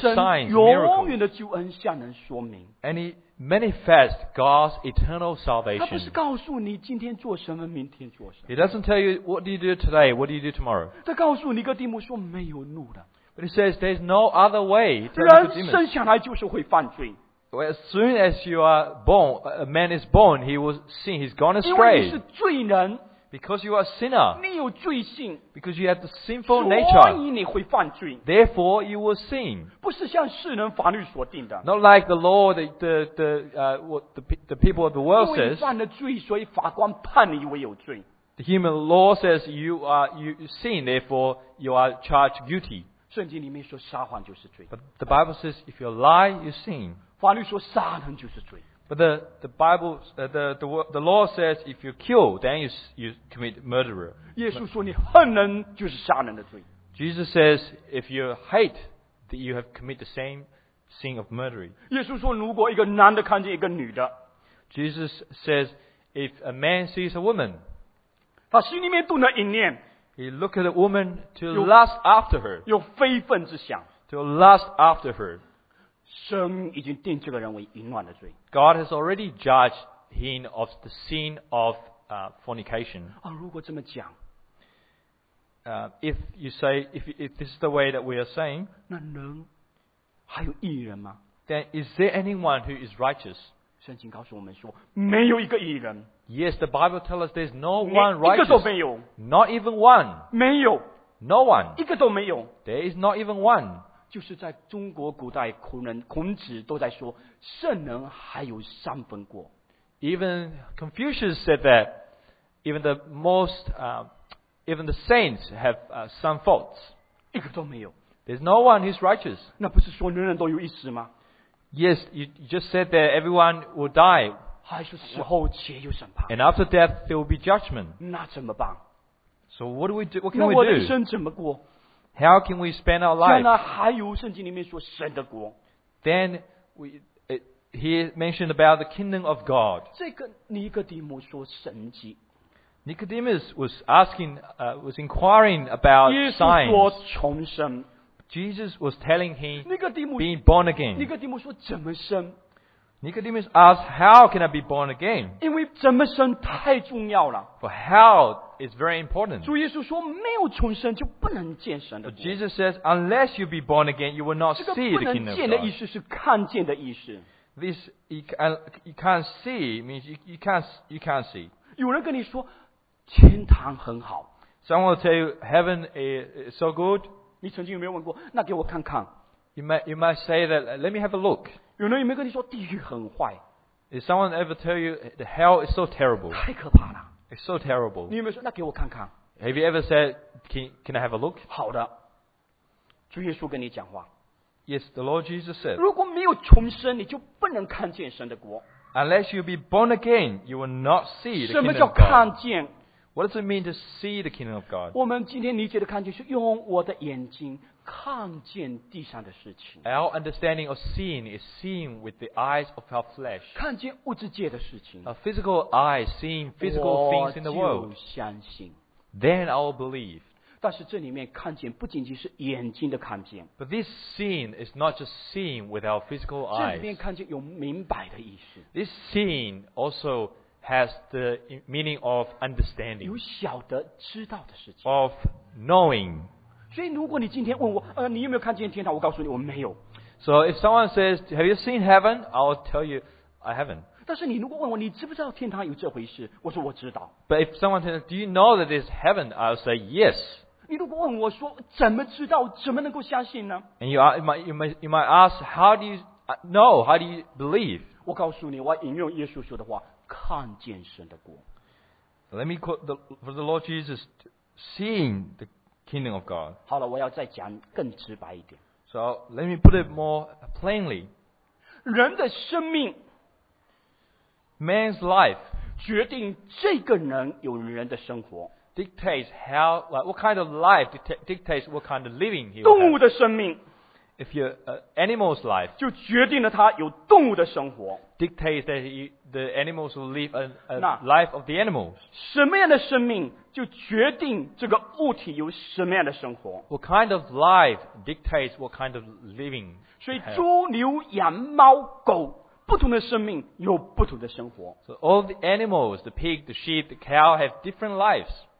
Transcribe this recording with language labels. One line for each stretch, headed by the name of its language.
Chinese: 他把神永远的救恩向人说明。
English: And he manifests God's eternal salvation.
Chinese: 他不是告诉你今天做什么，明天做什么。
English: He doesn't tell you what do you do today, what do you do tomorrow.
Chinese: 他告诉尼哥底母说没有路的。
English: But he says there's no other way.
Chinese: 人生下来就是会犯罪。
English: Well, as soon as you are born, a man is born, he will sin, he's gone astray.
Chinese: 因为你是罪人,
English: because you are a sinner.
Chinese: 你有罪性,
English: because you have the sinful nature.
Chinese: 所以你会犯罪,
English: therefore, you will sin.
Chinese: 不是像世人法律所定的,
English: not like the law, the people of the world says.
Chinese: 因为你犯了罪, 所以法官判你为有罪。
English: The human law says you sin, therefore, you are charged guilty.
Chinese: 圣经里面说撒谎就是罪。
English: But the Bible says, if you lie, you sin.
Chinese: 法律说杀人就是罪。
English: But the Bible, the law says if you kill, then you commit murderer.
Chinese: 耶稣说你恨人就是杀人的罪。
English: Jesus says if you hate, that you have committed the same sin of murdering.
Chinese: 耶稣说如果一个男的看见一个女的。
English: Jesus says if a man sees a woman,
Chinese: 他心里面动了一念。
English: He look at a woman to lust after her.
Chinese: 有非分之想。
English: To lust after her.
Chinese: 神已经定这个人为淫乱的罪。
English: God has already judged him of the sin of fornication.
Chinese: 啊，如果这么讲
English: ，if you say if this is the way that we are saying,
Chinese: 那能还有义人吗
English: ？Then is there anyone who is righteous?
Chinese: 圣经告诉我们说，没有一个义人。
English: Yes, the Bible tells us there's no one righteous.
Chinese: 一个都没有。
English: Not even one.
Chinese: 没有。
English: No one.
Chinese: 一个都没有。
English: There is not even one.
Chinese: 就是在中国古代孔子都在说圣人还有三分过。
English: Even Confucius said that even the most, even the saints have some faults.
Chinese: 一个都没有。
English: There's no one who's righteous.
Chinese: 那不是说人人都有一死吗？
English: Yes, you just said that everyone will die.
Chinese: 还是死后且有审判。
English: And after death, there will be judgment.
Chinese: 那怎么办？
English: So what do we do? What can we do?
Chinese: 那我的生怎么过？
English: How can we spend our life?
Chinese: 将来还有圣经里面说神的国。
English: Then he mentioned about the kingdom of God.
Chinese: 这个尼哥底母说神迹。
English: Nicodemus was asking, was inquiring about signs.
Chinese: 耶稣说重生。
English: Jesus was telling him being born again.
Chinese: 尼哥底母说怎么生？
English: Nicodemus asked, "How can I be born again?"
Chinese: 因为怎么生太重要了。
English: For how? It's very important.
Chinese: 主耶稣说没有重生就不能见神的国。
English: Jesus says, unless you be born again, you will not see the kingdom of God.
Chinese: 这个不能见的意思是看见的意思。
English: This you can't see means you can't see.
Chinese: 有人跟你说天堂很好。
English: Someone will tell you heaven is so good.
Chinese: 你曾经有没有问过？那给我看看。
English: You might say that. Let me have a look.
Chinese: 有人有没有跟你说地狱很坏
English: ？Did someone ever tell you the hell is so terrible?
Chinese: 太可怕了。
English: It's so terrible.
Chinese: 你有没有说那给我看看？
English: Have you ever said, can I have a look?
Chinese: 好的，主耶稣跟你讲话。
English: Yes, the Lord Jesus said.
Chinese: 如果没有重生，你就不能看见神的国。
English: Unless you be born again, you will not see the kingdom of God.
Chinese: 什么叫看见？
English: What does it mean to see the kingdom of God?
Chinese: 我们今天理解的看见是用我的眼睛看见地上的事情。
English: Our understanding of seeing is seeing with the eyes of our flesh.
Chinese: 看见物质界的事情。
English: A physical eye seeing physical things in the world.
Chinese: 我就相信。
English: Then I will believe.
Chinese: 但是这里面看见不仅仅是眼睛的看见。
English: But this seeing is not just seeing with our physical eyes.
Chinese: 这里面看见有明白的意思。
English: This seeing also has the meaning of understanding.
Chinese: 有晓得知道的事情。
English: Of knowing.
Chinese: 所以如果你今天问我，你有没有看见天堂？我告诉你，我没有。
English: So if someone says, "Have you seen heaven?" I'll tell you, "I haven't."
Chinese: 但是你如果问我，你知不知道天堂有这回事？我说我知道。
English: But if someone says, "Do you know that there's heaven?" I'll say, "Yes." 你如果问我说怎么知道，怎么能够相信呢？ And you might ask, "How do you know? How do you believe?"
Chinese: 我告诉你，我引用耶稣说的话。看见神的国。
English: Let me quote for the Lord Jesus, seeing the kingdom of God.
Chinese: 好了，我要再讲更直白一点。
English: So let me put it more plainly.
Chinese: 人的生命
English: ，man's life，
Chinese: 决定这个人有人的生活。
English: Dictates how, like, what kind of life dictates what kind of living he.
Chinese: 动物的生命。
English: If your animal's life
Chinese: 就决定了他有动物的生活
English: dictates that the animals will live a life of the animals.
Chinese: 什么样的生命就决定这个物体有什么样的生活
English: What kind of life dictates what kind of living?
Chinese: 所以猪牛羊猫狗不同的生命有不同的生活
English: So all the animals, the pig, the sheep, the cow have different lives.